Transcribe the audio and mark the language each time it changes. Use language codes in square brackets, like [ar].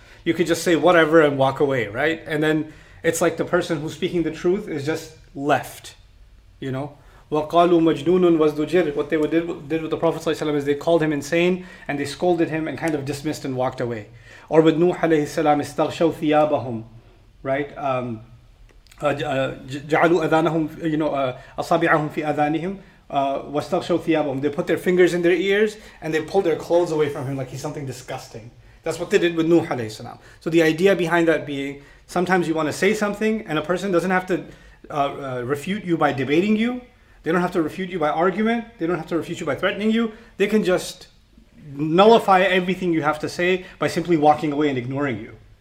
[en] You could just say whatever and walk away, right? And then it's like the person who's speaking the truth is just left, you know? [ar] وَقَالُوا مَجْنُونٌ وَزْدُجِرٍ [en] What they did with the Prophet ﷺ is they called him insane and they scolded him and kind of dismissed and walked away. Or with Nuh alayhi salam, [ar] استغشوا ثيابهم, [en] right? [ar] جعلوا أذانهم, [en] you know, [ar] أصابعهم في أذانهم, واستغشوا ثيابهم. [en] They put their fingers in their ears and they pulled their clothes away from him like he's something disgusting. That's what they did with Nuh alayhi salam. So the idea behind that being, sometimes you want to say something and a person doesn't have to refute you by debating you. They don't have to refute you by argument. They don't have to refute you by threatening you. They can just nullify everything you have to say by simply walking away and ignoring you.